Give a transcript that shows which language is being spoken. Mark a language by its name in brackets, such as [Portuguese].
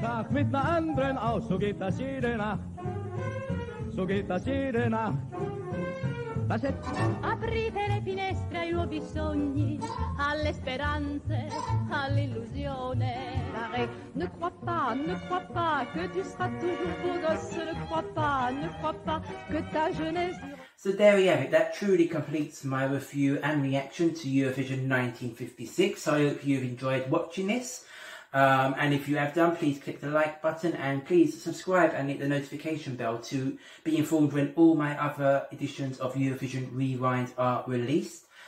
[German] Mit einer anderen aus, so geht das jede Nacht. So geht das jede Nacht. Das ist. [Italian] Aprite le finestre ai nuovi sogni, alle speranze, all'illusione. [French] Ne crois pas, ne crois pas, que tu seras toujours beau gosse. Ne crois pas, ne crois pas, que ta jeunesse. [English] So there we have it. That truly completes my review and reaction to Eurovision 1956. I hope you've enjoyed watching this. And if you have done, please click the like button and please subscribe and hit the notification bell to be informed when all my other editions of Eurovision Rewind are released.